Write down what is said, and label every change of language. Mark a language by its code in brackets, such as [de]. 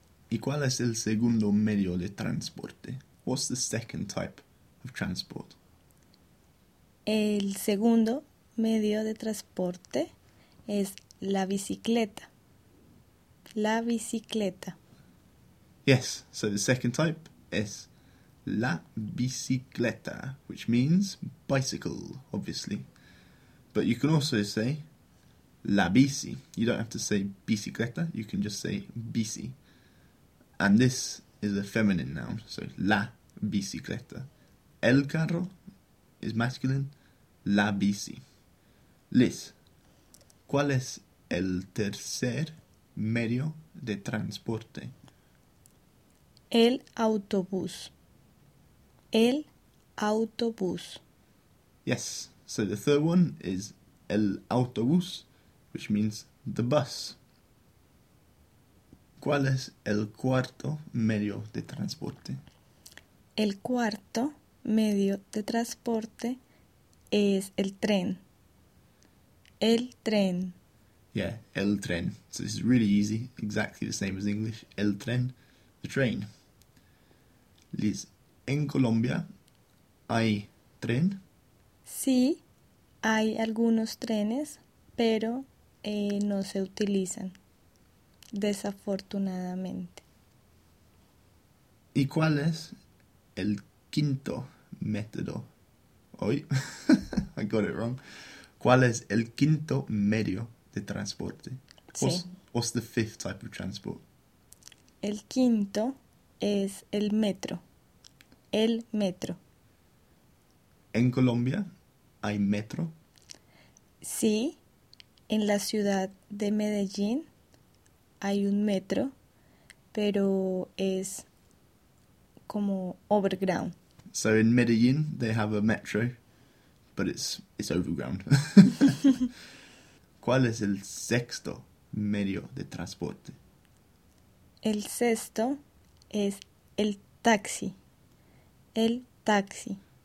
[es] ¿Y cuál es el segundo medio de transporte? [en] What's the second type of transport? [es] El segundo medio de transporte es la bicicleta. La bicicleta. [en] Yes, so the second type is la bicicleta, which means bicycle, obviously. But you can also say la bici. You don't have to say bicicleta, you can just say bici. And this is a feminine noun, so la bicicleta. El carro is masculine, la bici. [es] Liz, ¿cuál es el tercer medio de transporte? El autobús. El autobús. [en] Yes, so the third one is el autobús, which means the bus. [es] ¿Cuál es el cuarto medio de transporte? El cuarto medio de transporte es el tren. El tren. Yeah, el tren. [en] So this is really easy, exactly the same as English. [es] El tren, [en] the train. [es] Liz, ¿en Colombia hay tren? Sí, hay algunos trenes, pero no se utilizan. Desafortunadamente. ¿Y cuál es el quinto método? [en] Oy, I got it wrong. [es] ¿Cuál es el quinto medio de transporte? Sí. [en] What's the fifth type of transport? [es] El quinto es el metro. El metro. ¿En Colombia hay metro? Sí, en la ciudad de Medellín hay un metro, pero es como overground. [en] So in Medellín, they have a metro, but it's overground. [es] ¿Cuál es el sexto medio de transporte? El sexto es el taxi. El taxi.